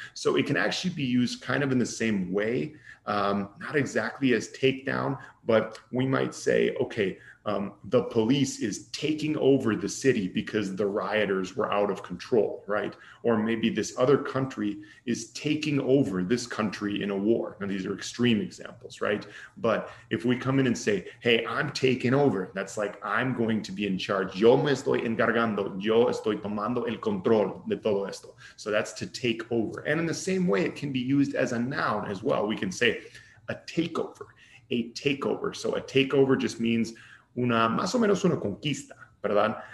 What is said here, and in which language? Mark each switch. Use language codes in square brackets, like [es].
[en] So it can actually be used kind of in the same way, not exactly as take down, but we might say, okay, the police is taking over the city because the rioters were out of control, right? Or maybe this other country is taking over this country in a war. And these are extreme examples, right? But if we come in and say, hey, I'm taking over, that's like, I'm going to be in charge. [es] Yo me estoy encargando. Yo estoy tomando el control de todo esto. [en] So that's to take over. And in the same way, it can be used as a noun as well. We can say a takeover, a takeover. So a takeover just means [es] una, más o menos una conquista, ¿verdad?